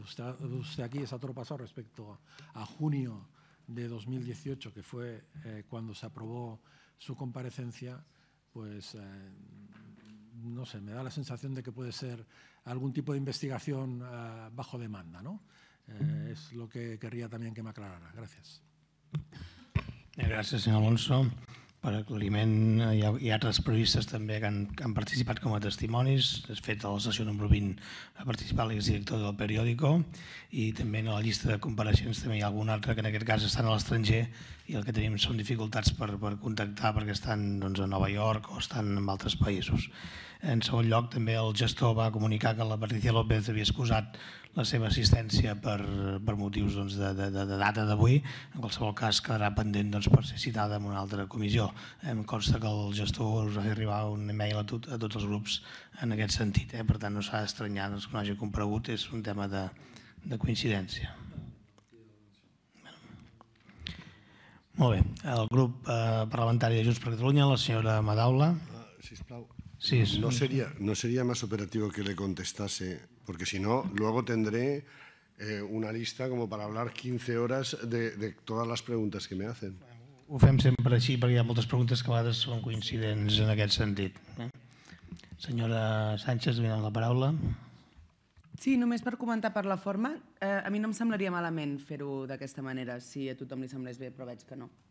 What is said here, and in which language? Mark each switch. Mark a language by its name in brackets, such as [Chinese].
[Spanish] Usted aquí es a toro pasado respecto a junio de 2018, que fue cuando se aprobó su comparecencia, pues no sé, me da la sensación de que puede ser algún tipo de investigación bajo demanda, ¿no? Es lo que querría también que me aclarara. Gracias. [Catalan] Gràcies, senyor Alonso, per aclariment. Hi ha altres periodistes també que han participat com a testimonis. De fet, a la sessió número 20 ha participat l'exdirector del periòdico, i també en la llista de compareixents també hi ha algun altre que en aquest cas estan a l'estranger i el que tenim són dificultats per contactar perquè estan doncs, a Nova York o estan en altres països. En segon lloc, també el gestor va comunicar que la Patricia López havia excusat la seva assistència per motius doncs, de data d'avui. En qualsevol cas, quedarà pendent doncs, per ser citada en una altra comissió. Em consta que el gestor us va fer arribar un email a tots els grups en aquest sentit. Per tant, no s'ha d'estranyar doncs, que no hagi comparegut, és un tema de coincidència. Molt bé. El grup parlamentari de Junts per Catalunya, la senyora Madaula. Sisplau. Sí, sí. [Spanish] No sería más operativo que le contestase, porque si no, luego tendré una lista como para hablar 15 horas de todas las preguntas que me hacen. [Catalan] Ho fem sempre així, perquè hi ha moltes preguntes que a vegades són coincidents en aquest sentit. Senyora Sánchez, li dono la paraula. Sí, només per comentar per la forma, a mi no em semblaria malament fer-ho d'aquesta manera, si a tothom li semblés bé, però veig que no.